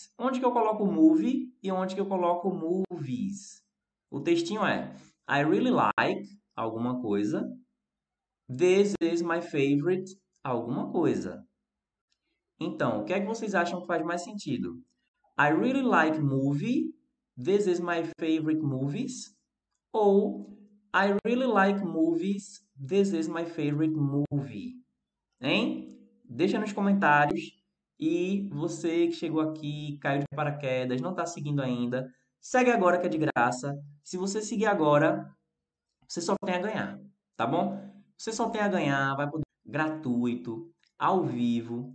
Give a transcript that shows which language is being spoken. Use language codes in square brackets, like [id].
[pt] Onde que eu coloco movie e onde que eu coloco movies? O textinho é [en] I really like [pt] alguma coisa. [en] This is my favorite, [pt] alguma coisa. Então, o que é que vocês acham que faz mais sentido? [en] I really like movie, this is my favorite movies. Ou I really like movies, this is my favorite movie. [pt] Hein? Deixa nos comentários. E você que chegou aqui, caiu de paraquedas, não está seguindo ainda, segue agora que é de graça. Se você seguir agora, você só tem a ganhar, tá bom? Você só tem a ganhar, vai poder gratuito, ao vivo.